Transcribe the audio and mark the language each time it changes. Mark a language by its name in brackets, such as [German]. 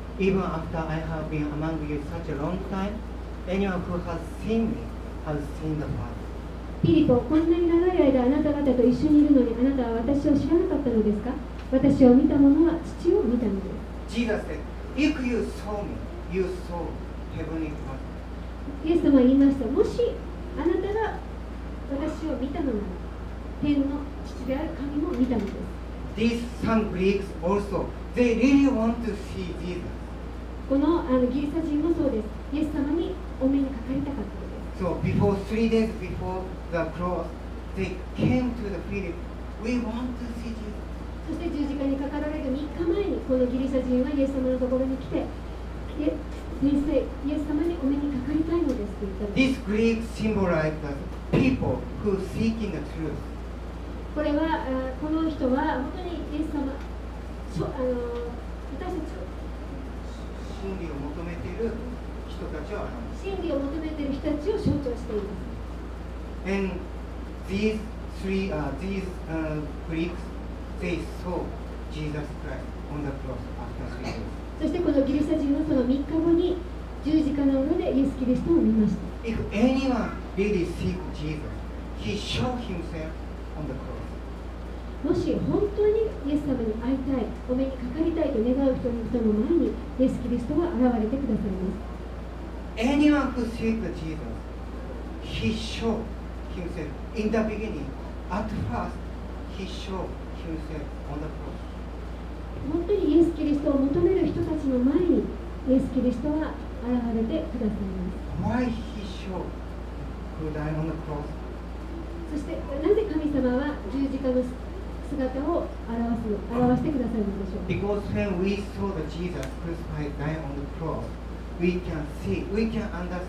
[English] Even after I have been among you such a long time, anyone who has seen me has seen the Father. [Japanese] フィリポ、こんなに長い間あなた方と一緒にいるのに、あなたは私を知らなかったのですか？私を見た者は父を見たのです。 [English] ジーザス said, If you saw me, you saw heavenly Father. [Japanese] イエス様は言いました。もしあなたが私を見たのなら、天の父である神も見たのです。 [English] These some Greeks also, they really want to see Jesus. [Japanese] このギリシャ人もそうです。イエス様にお目にかかりたかった。 [English] So before three days before the cross, they came to the Philip. We want to see Jesus. [Japanese] そして十字架にかかられる3日前にこのギリシャ人はイエス様のところに来て、先生、イエス様にお目にかかりたいのですと言ったんです。 [English] This Greek symbolizes the people who are seeking the truth. [Japanese] これはこの人は本当にイエス様、私たち真理を求めている人たちを表す。真理を求めている人たちを象徴しています。 [English] And these three, Greeks, they saw Jesus Christ on the cross after 3 days. [Japanese] そしてこのギリシャ人はその3日後に十字架の上でイエス・キリストを見ました。 [English] If anyone really seek Jesus, he show himself on the cross. [Japanese] もし本当にイエス様に会いたい、お目にかかりたいと願う人の前にイエス・キリストが現れてくださいます。 [English] Anyone who seeks Jesus, he show himself in the beginning. At first, he show himself on the cross. [Japanese] 本当にイエス・キリストを求める人たちの前にイエス・キリストが現れてくださいます。 [English] Why he show who died on the cross? [Japanese] そしてなぜ神様は十字架の姿を表してくださるのでしょうか。